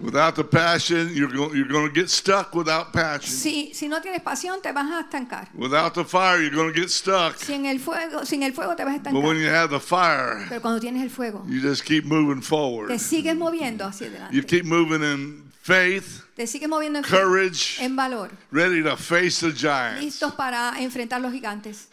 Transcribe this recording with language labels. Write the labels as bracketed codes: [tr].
[en] Without the passion, you're going to get stuck without passion. [es] Si no tienes pasión, te vas a estancar. [en] Without the fire, you're going to get stuck. [es] Sin el fuego, te vas a estancar. [en] But when you have the fire, [es] pero cuando tienes el fuego, [en] you just keep moving forward. [es] Te sigues moviendo hacia adelante. [en] You keep moving in faith. [es] Te sigue moviendo [en] courage, [es] en valor. [en] Ready to face the giants. [es] Listos para enfrentar los gigantes.